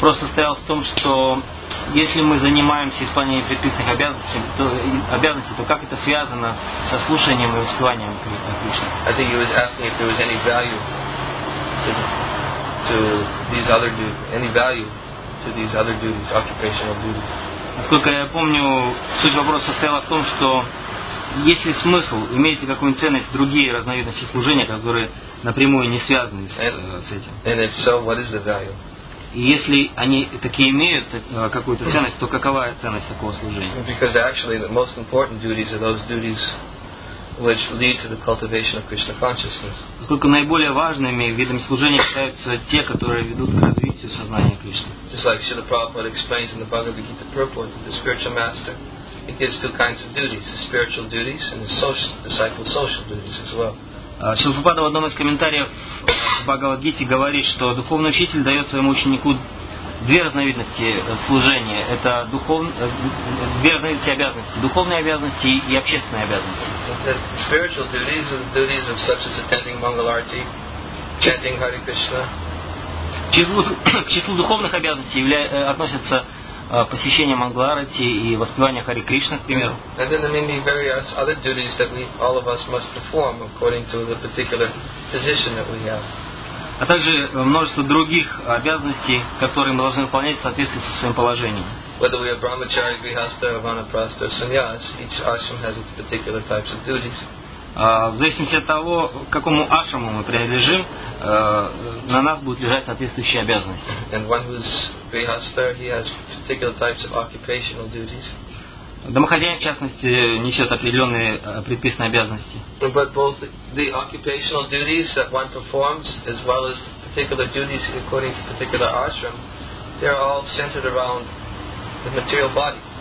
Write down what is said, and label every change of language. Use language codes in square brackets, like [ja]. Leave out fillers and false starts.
[ru] Вопрос состоял в том, что если мы занимаемся исполнением предписанных обязанностей, то как это связано со слушанием и воспеванием Кришны? [en] I think he was asking if there was any value to these other duties, any value to these other duties, occupational duties. [ru] Насколько я помню, суть вопроса состояла в том, что есть ли смысл, имеет ли какую-нибудь ценность другие разновидности служения, которые напрямую не связаны с этим. [en] And if so, what is the value? [ru] И если они такие имеют какую-то ценность, то какова ценность такого служения? [en] Because actually the most important duties are those duties which lead to the cultivation of Krishna consciousness. [ru] Поскольку наиболее важными видами служения являются те, которые ведут к развитию сознания Кришны. [en] Just like Srila Prabhupada explains in the Bhagavad Gita purport that the spiritual master, he gives two kinds of duties, the spiritual duties and the disciple social duties as well. [ru] Шрила Прабхупада в одном из комментариев Бхагавад-гите говорит, что духовный учитель дает своему ученику две разновидности служения. Это две разновидности обязанностей. Духовные обязанности и общественные обязанности. [en] Spiritual duties are the duties of such as attending Mangal Arati, chanting Hare Krishna. [ru] К числу духовных обязанностей относятся посещение Мангал Арати и воспевание Хари Кришна, к примеру. [en] And then there may be various other duties that we, all of us, must perform according to the particular position that we have. [ru] А также множество других обязанностей, которые мы должны выполнять в соответствии со своим положением. [en] Whether we are brahmachari, grihastha, vanaprastha, sannyas, each ashram has its particular types of duties. [ru] В зависимости от того, к какому ашраму мы принадлежим, на нас будут лежать соответствующие обязанности. [en] And one who is grihastha, he has particular types of occupational duties. [ru] Домохозяин, в частности, несет определенные предписанные обязанности. [en] But both the occupational duties that one performs, as well as particular duties according to particular ashram, they are all centered around the material body.